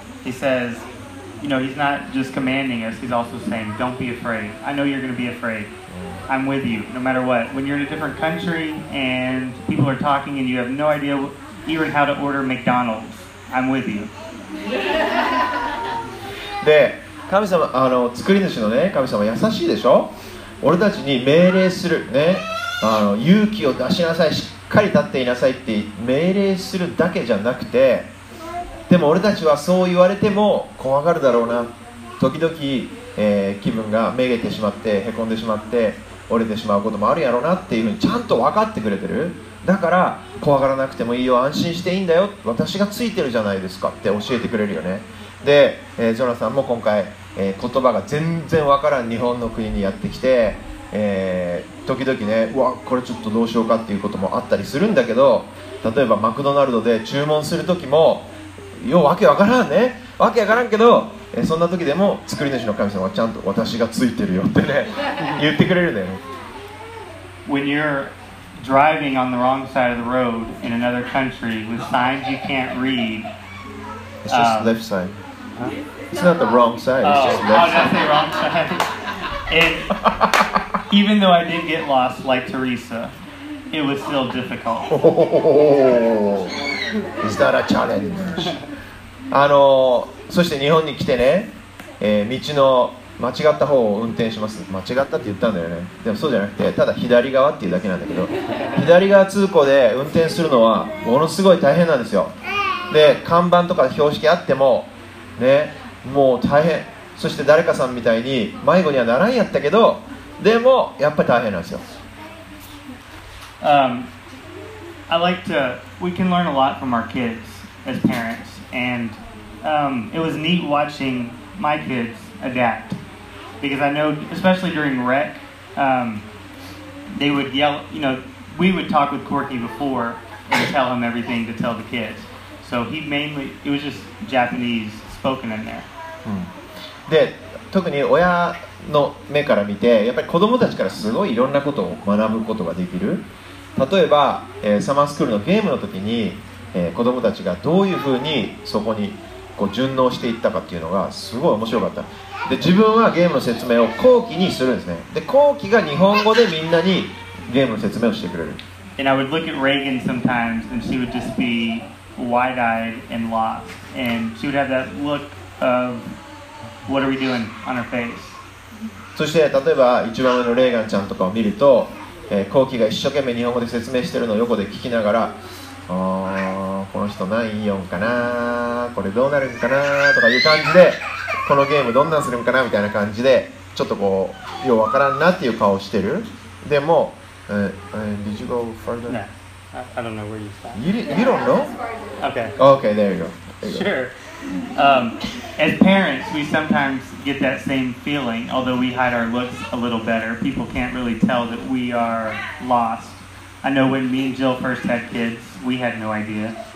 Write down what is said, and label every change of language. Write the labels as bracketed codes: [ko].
[en] He says, you know, He's not just commanding us, He's also saying, don't be afraid. I know you're going to be afraid. I'm with you, no matter what. When you're in a different country and people are talking and you have no idea even how to order McDonald's, I'm with you. [ja] で、神様、あの、作り主のね、神様優しいでしょ？俺たちに命令するね。あの、勇気を出しなさい、しっかり立っていなさいって命令するだけじゃなくて、でも俺たちはそう言われても怖がるだろうな、時々、気分がめげてしまってへこんでしまって折れてしまうこともあるやろうなっていうふうにちゃんと分かってくれてる。だから怖がらなくてもいいよ、安心していいんだよ、私がついてるじゃないですかって教えてくれるよね。で、ジョナさんも今回、言葉が全然分からん日本の国にやってきて、時々ね、うわこれちょっとどうしようかっていうこともあったりするんだけど、例えばマクドナルドで注文する時もようわけわからんね、わけわからんけど、そんな時でも作り主の神様はちゃんと私がついてるよってね言ってくれるね。 [en] When you're driving on the wrong side of the road in another country with signs you can't read, it's just left side, it's not the wrong side, it's just left side. Oh, that's the wrong side. And even though I did get lost like Teresa, it was still difficult. Oh, is that a challenge? [ja] あの、そして日本に来てね、道の間違った方を運転します、間違ったって言ったんだよね、でもそうじゃなくてただ左側っていうだけなんだけど、左側通行で運転するのはものすごい大変なんですよ。で、看板とか標識あってもね、もう大変、そして誰かさんみたいに迷子にはならんやったけど、でもやっぱり大変なんですよ。 [en] I like to, we can learn a lot from our kids as parents, and it was neat watching my kids adapt, because I know, especially during rec, they would yell, you know, we would talk with Corky before and tell him everything to tell the kids, so he mainly, it was just Japanese spoken in there. [ja] で、特に親の目から見てやっぱり子供たちからすごいいろんなことを学ぶことができる。例えば、サマースクールのゲームの時に、子供たちがどういうふうにそこにこう順応していったかっていうのがすごい面白かった。で、自分はゲームの説明を後期にするんですね。で、後期が日本語でみんなにゲームの説明をしてくれる。 [en] And I would look at Reagan sometimes and she would just be wide-eyed and lost, and she would have that look of what are we doing on her face。 [ja] そして例えば一番上のレーガンちゃんとかを見ると、コウキが一生懸命日本語で説明してるのを横で聞きながら、この人何言いよんかな、これどうなるんかなとかいう感じで、このゲームどんなんするんかなみたいな感じでちょっとこうようわからんなっていう顔をしてる。でも、 [en] Did you go further? No, I don't know where you stopped. You don't know? Okay. Okay, there you go. There you go. Sure. As parents, we sometimes get that same feeling, although we hide our looks a little better. People can't really tell that we are lost. I know when me and Jill first had kids, we had no idea.